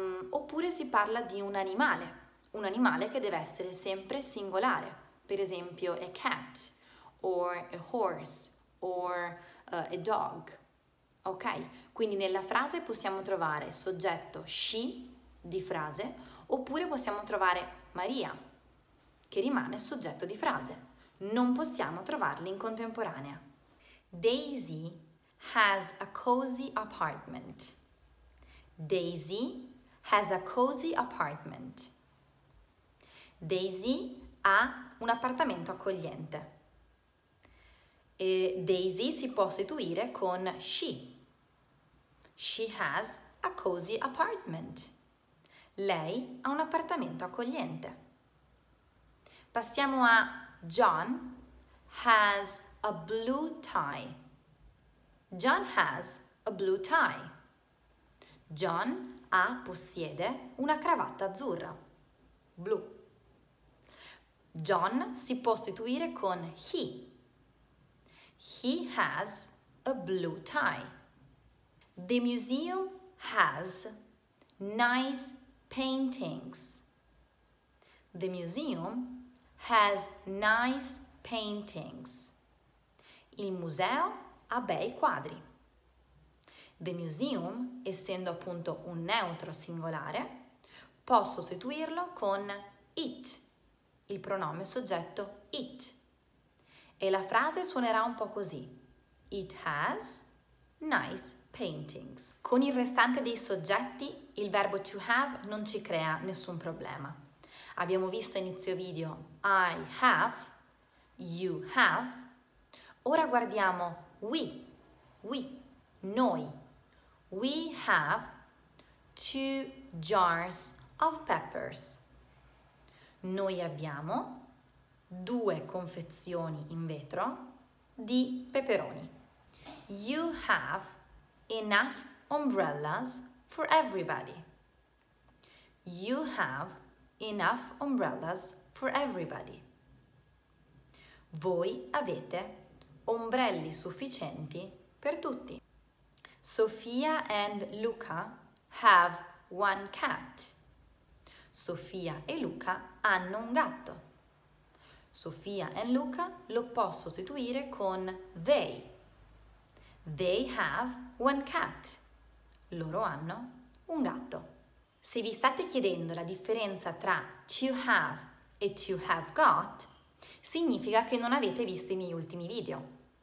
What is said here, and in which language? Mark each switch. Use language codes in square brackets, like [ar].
[it] Oppure si parla di un animale che deve essere sempre singolare, per esempio [en] a cat, or a horse, or a dog. [it] Ok? Quindi nella frase possiamo trovare soggetto she di frase, oppure possiamo trovare Maria, che rimane soggetto di frase. Non possiamo trovarli in contemporanea. [en] Daisy has a cozy apartment. Daisy has a cozy apartment. [it] Daisy ha un appartamento accogliente. E Daisy si può sostituire con she. [en] She has a cozy apartment. [it] Lei ha un appartamento accogliente. Passiamo a [en] John has a blue tie. John has a blue tie. [it] John ha, possiede, una cravatta azzurra, blu. John si può sostituire con he. [en] He has a blue tie. The museum has nice paintings. The museum has nice paintings. [it] Il museo ha bei quadri. The museum, essendo appunto un neutro singolare, posso sostituirlo con it, il pronome soggetto it. E la frase suonerà un po' così. [en] It has nice paintings. [it] Con il restante dei soggetti, il verbo to have non ci crea nessun problema. Abbiamo visto a inizio video I have, you have. Ora guardiamo we, noi. [en] We have two jars of peppers. [it] Noi abbiamo due confezioni in vetro di peperoni. [en] You have enough umbrellas for everybody. You have enough umbrellas for everybody. [it] Voi avete ombrelli sufficienti per tutti. [en] Sofia and Luca have one cat. [it] Sofia e Luca hanno un gatto. Sofia and Luca lo posso sostituire con they. [en] They have one cat. [it] Loro hanno un gatto. Se vi state chiedendo la differenza tra to have e to have got, significa che non avete visto i miei ultimi video.